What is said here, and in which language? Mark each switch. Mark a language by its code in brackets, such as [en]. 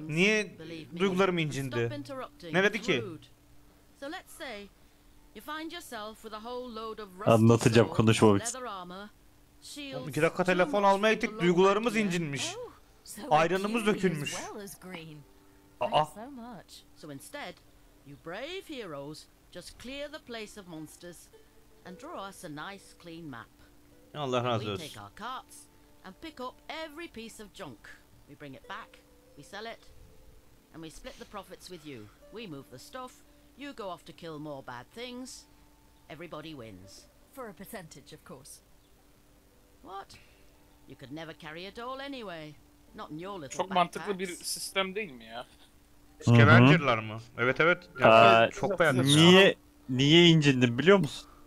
[tr] Niye duygularım incindi? Ne dedi ki? [en] So let's say you find yourself with a whole load of rusty swords. [tr] Anlatacağım, konuşmamak istiyorum. 2 dakika telefon almaya gittik, duygularımız incinmiş. Ayranımız dökülmüş. Aa. [en] So instead, you brave heroes just clear the place of monsters and draw us a nice clean map. [tr] Allah razı olsun. [en] Take our carts and pick up every piece of junk. We bring it back, we sell it, and we split the profits with you. We move the stuff, you go off to kill more bad things. Everybody wins. For a percentage, of course. What? You could never carry it all anyway. Not in your little [tr] çok [en] backpacks. [tr] Mantıklı bir sistem değil mi ya? Scavenger'lar mı? Evet evet. Yani çok beğendim. Niye incindim biliyor musun?